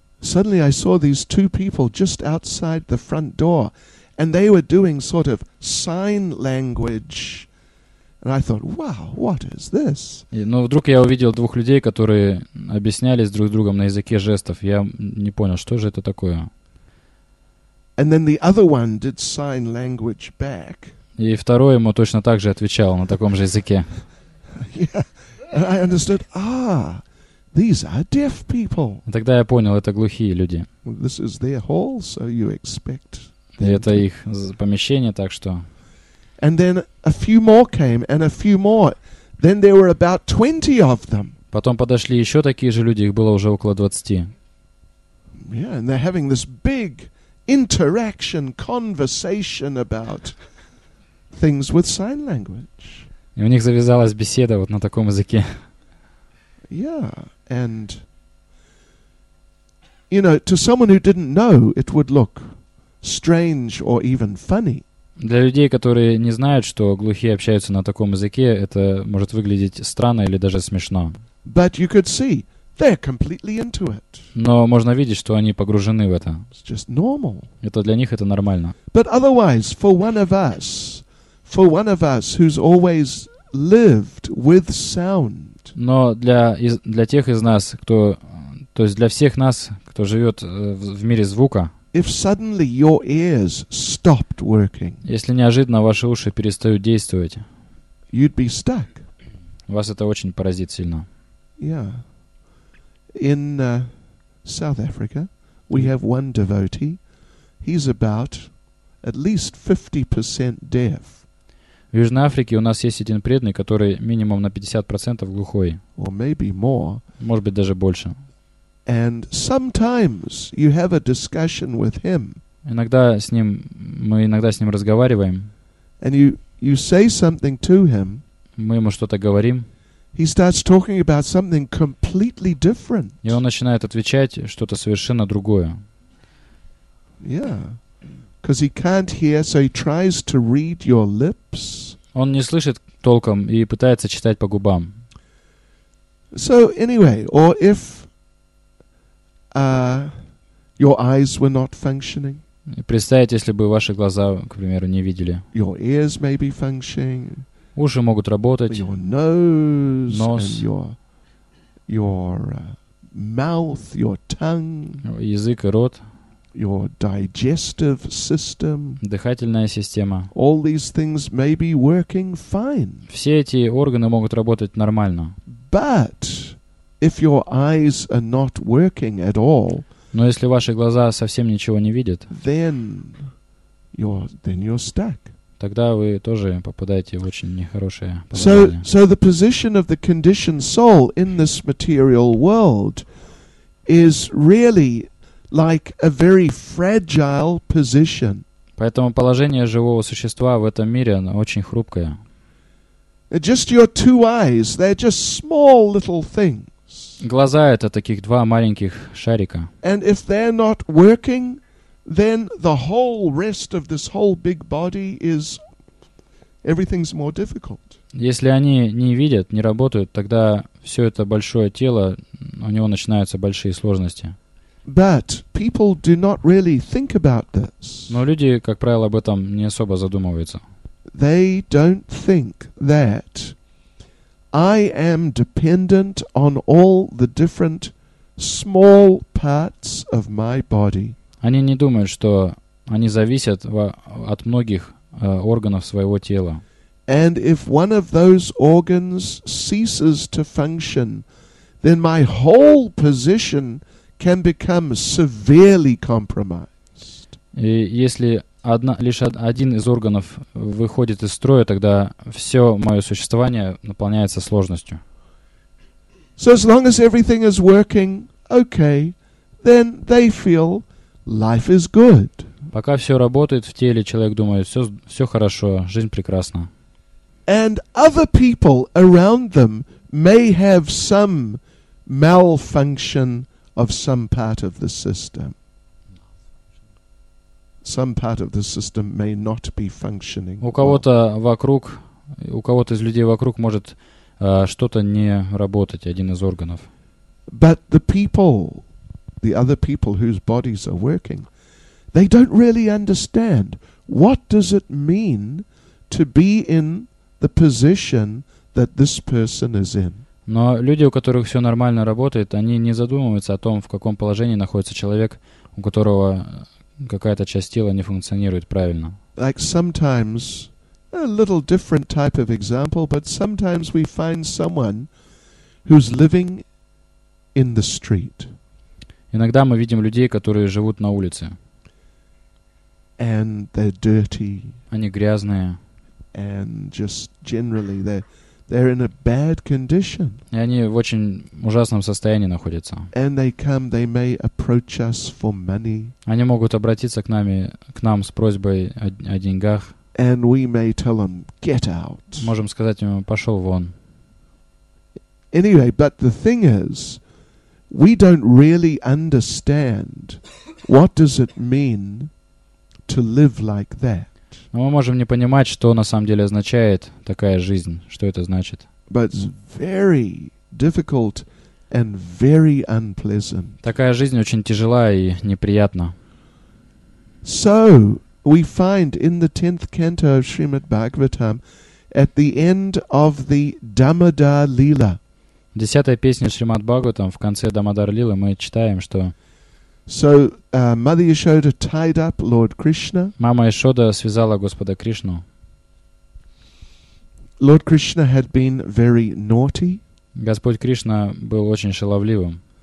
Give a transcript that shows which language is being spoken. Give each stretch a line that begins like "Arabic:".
English: Suddenly I saw these two people just outside the front door, and they were doing sort of sign language. And I thought, wow, what is this?
Russian: Но вдруг я увидел двух людей, которые объяснялись друг с другом на языке жестов. Я не понял, что же это такое.
English: And then the other one did sign language back.
Russian: И второй ему точно так же отвечал на таком же языке.
English: Yeah. And I understood, these are deaf people.
Russian: Тогда я понял, это глухие люди.
English: This is their hall, so you expect.
Russian: И это их помещение, так что.
English: And then a few more came, and a few more. Then there were about 20 of them.
Russian: Потом подошли еще такие же люди, их было уже около 20.
English: Yeah, and they're having this big interaction, conversation about things with sign language.
Russian: И у них завязалась беседа вот на таком языке.
English: Yeah, and you know, to someone who didn't know, it would look strange or even funny.
Russian: Для людей, которые не знают, что глухие общаются на таком языке, это может выглядеть странно или даже смешно.
English: But you could see, they're completely into it.
Russian: Но можно видеть, что они погружены в это.
English: It's just normal.
Russian: Это для них это нормально.
English: But otherwise, for one of us who's always lived with sound.
Russian: Но для тех из нас, для всех нас, кто живет в мире звука.
English: If suddenly your ears stopped working,
Russian: если неожиданно ваши уши перестают действовать,
English: you'd be stuck.
Russian: Вас это очень поразит сильно.
English: Yeah. In South Africa, we have one devotee. He's about at least 50% deaf.
Russian: В Южной Африке у нас есть один преданный, который минимум на 50% глухой.
English: Or maybe more.
Russian: Может быть, даже больше.
English: And sometimes you have a discussion with him.
Russian: Иногда с ним, мы иногда с ним разговариваем.
English: And you say something to him.
Russian: Мы ему что-то говорим.
English: He starts talking about something completely different.
Russian: И он начинает отвечать что-то совершенно другое.
English: Yeah. Because he can't hear, so he tries to read your lips.
Russian: Он не слышит толком и пытается читать по губам.
English: So anyway, or if your eyes were not functioning.
Russian: Представьте, если бы ваши глаза, к примеру, не видели.
English: Your ears may be functioning.
Russian: Уши могут работать.
English: Your nose, нос. And your mouth, your tongue.
Russian: Язык и рот.
English: Your digestive system.
Russian: Дыхательная система.
English: All these things may be working fine.
Russian: Все эти органы могут работать нормально.
English: But if your eyes are not working at all,
Russian: но если ваши глаза совсем ничего не видят,
English: then you're stuck.
Russian: Тогда вы тоже попадаете в очень нехорошее положение.
English: So the position of the conditioned soul in this material world is really like a very fragile position.
Russian: Поэтому положение живого существа в этом мире, оно очень хрупкое.
English: Just your two eyes, they're just small little things.
Russian: Глаза — это таких два маленьких шарика.
English: And if they're not working, then the whole rest of this whole big body is everything's more difficult.
Russian: Если они не видят, не работают, тогда все это большое тело, у него начинаются большие сложности.
English: But people do not really think about this.
Russian: Но люди, как правило, об этом не особо задумываются.
English: They don't think that I am dependent on all the different small parts of my body.
Russian: Они не думают, что они зависят от многих органов своего тела.
English: And if one of those organs ceases to function, then my whole position can become severely compromised.
Russian: И если один из органов выходит из строя, тогда все мое существование наполняется сложностью.
English: So as long as everything is working, okay, then they feel life is good.
Russian: Пока все работает в теле, человек думает, все хорошо, жизнь прекрасна.
English: And other people around them may have some malfunction of some part of the system. Some part of the system may not be functioning.
Russian: У кого-то вокруг, у кого-то из людей вокруг может что-то не работать, один из органов.
English: But the other people whose bodies are working, they don't really understand what does it mean to be in the position that this person is in.
Russian: Но люди, у которых все нормально работает, они не задумываются о том, в каком положении находится человек, у которого какая-то часть тела не функционирует правильно.
English: Like sometimes, a little different type of example, but sometimes we find someone who's living in the street.
Russian: Иногда мы видим людей, которые живут на улице.
English: And they're dirty.
Russian: Они грязные.
English: And just generally they're in a bad condition.
Russian: И они в очень ужасном состоянии находятся.
English: And they come, they may approach us for money.
Russian: Они могут обратиться к нам с просьбой о деньгах.
English: And we may tell them, get out.
Russian: Можем сказать ему, пошел вон.
English: Anyway, but the thing is, we don't really understand what does it mean to live like that.
Russian: Но мы можем не понимать, что на самом деле означает такая жизнь, что это значит.
English: But it's very difficult and very unpleasant.
Russian: Такая жизнь очень тяжела и неприятна.
English: So we find in the 10th canto of Srimad Bhagavatam at the end of the Damodar Lila.
Russian: В 10-й песне Шримад Бхагаватам в конце Дамодар Лилы мы читаем, что
English: so Mother Yashoda tied up Lord Krishna.
Russian: Мама Яшода связала Господа Кришну.
English: Lord Krishna had been very naughty.
Russian: Господь Кришна был очень шаловливым.